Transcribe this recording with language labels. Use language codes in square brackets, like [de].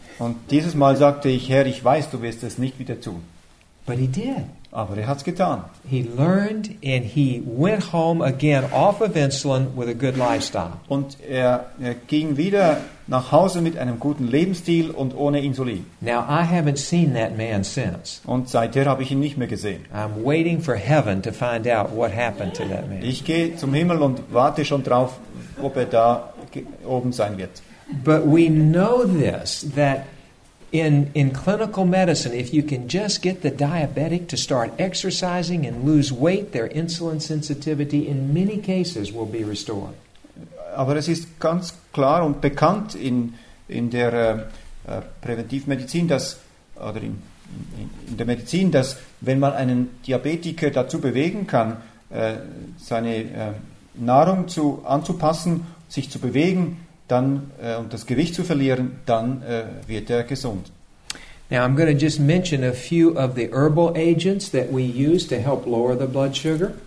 [de] Und dieses Mal sagte ich, Herr, ich weiß, du wirst es nicht wieder tun. [en] But he did. [de] Aber er hat's getan. [en] He learned and he went home again off of insulin with a good lifestyle. [de] Und er ging wieder nach Hause mit einem guten Lebensstil und ohne Insulin. [en] Now I haven't seen that man since. [de] Und seither habe ich ihn nicht mehr gesehen. [en] I'm waiting for heaven to find out what happened to that man. [de] Ich gehe zum Himmel und warte schon drauf, ob er da oben sein wird. [en] But we know this, that in clinical medicine, if you can just get the diabetic to start exercising and lose weight, their insulin sensitivity in many cases will be restored. [de] Aber es ist ganz klar und bekannt in der Präventivmedizin, dass, oder in der Medizin, dass wenn man einen Diabetiker dazu bewegen kann, seine Nahrung anzupassen, sich zu bewegen, dann und das Gewicht zu verlieren, dann wird er gesund. [en] Now I'm going to just mention a few of the herbal agents that we use to help lower the blood sugar.